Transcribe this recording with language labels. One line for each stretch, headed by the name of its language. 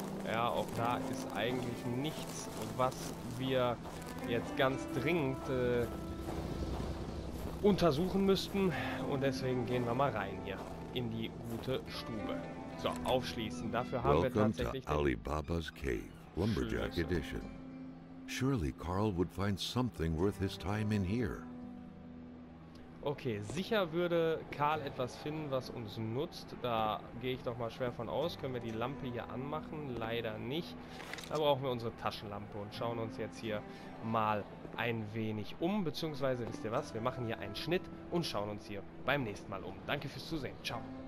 German: Ja, auch da ist eigentlich nichts, was wir jetzt ganz dringend untersuchen müssten. Und deswegen gehen wir mal rein hier in die gute Stube. So, aufschließen. Dafür haben wir tatsächlich
English: Alibaba's Cave, Lumberjack Edition. Surely Carl would find something worth his time in here.
German: Okay, sicher würde Carl etwas finden, was uns nutzt. Da gehe ich doch mal schwer von aus. Können wir die Lampe hier anmachen? Leider nicht. Da brauchen wir unsere Taschenlampe und schauen uns jetzt hier mal ein wenig um. Beziehungsweise, wisst ihr was, wir machen hier einen Schnitt und schauen uns hier beim nächsten Mal um. Danke fürs Zusehen. Ciao.